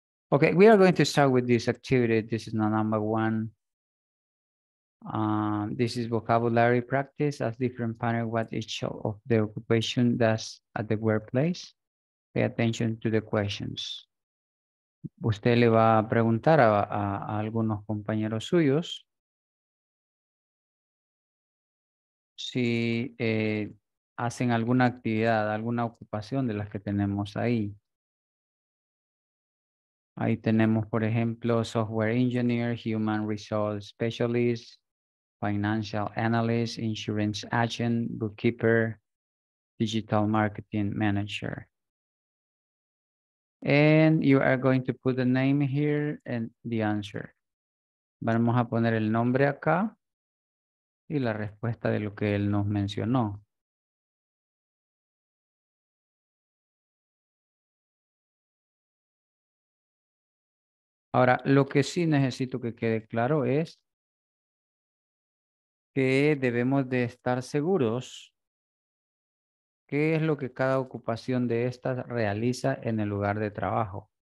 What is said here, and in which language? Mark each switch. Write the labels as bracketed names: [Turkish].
[English] Ok, we are going to start with this activity. This is number one. This is vocabulary practice as different panel what each of the occupation does at the workplace. Pay attention to the questions. [Spanish] Usted le va a preguntar a algunos compañeros suyos si hacen alguna actividad, alguna ocupación de las que tenemos ahí. Ahí tenemos, por ejemplo, [English] software engineer, human resource specialist, financial analyst, insurance agent, bookkeeper, digital marketing manager. And you are going to put the name here and the answer. [Spanish] Vamos a poner el nombre acá y la respuesta de lo que él nos mencionó. Ahora, lo que sí necesito que quede claro es que debemos de estar seguros qué es lo que cada ocupación de estas realiza en el lugar de trabajo.